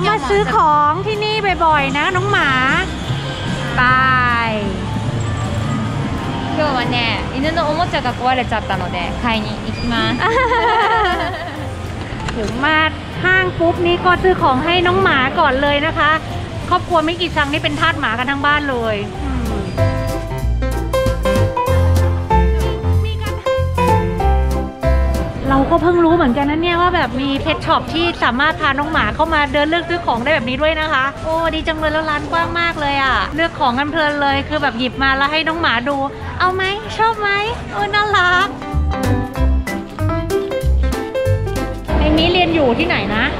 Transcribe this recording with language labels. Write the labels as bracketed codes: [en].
[ja] お、買う [th] ของที่นี่บ่อยๆนะน้องหมา。バイ。 [ja] 今日はね、犬のおもちゃが壊れちゃったので買いに行きます。 [th] ถึงมาห้างปุ๊บนี่ก็ซื้อของให้น้องหมาก่อนเลยนะคะ。 ครอบครัวมิกิซังนี่เป็นทาสหมากันทั้งบ้านเลยเราก็เพิ่งรู้เหมือนกันนะเนี่ยว่าแบบมีเพ็ทช็อปที่สามารถพาน้องหมาเข้ามาเดินเลือกซื้อของได้แบบนี้ด้วยนะคะโอ้ดีจังเลยแล้วร้านกว้างมากเลยอ่ะเลือกของกันเพลินเลยคือแบบหยิบมาแล้วให้น้องหมาดูเอาไหมชอบไหมโอ้น่ารักไอ้มิเรียนอยู่ที่ไหนนะ